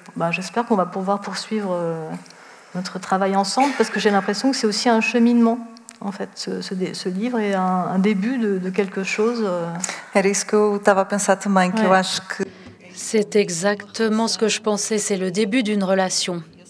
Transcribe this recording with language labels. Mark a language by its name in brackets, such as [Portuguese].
[French] j'espère qu'on va pouvoir poursuivre notre travail ensemble parce que j'ai l'impression que c'est aussi un cheminement. En fait, ce livre est un début de quelque chose. [Portuguese] Era isso que eu estava a pensar também, que eu acho que... [French] C'est exactement ce que je pensais, c'est le début d'une relation.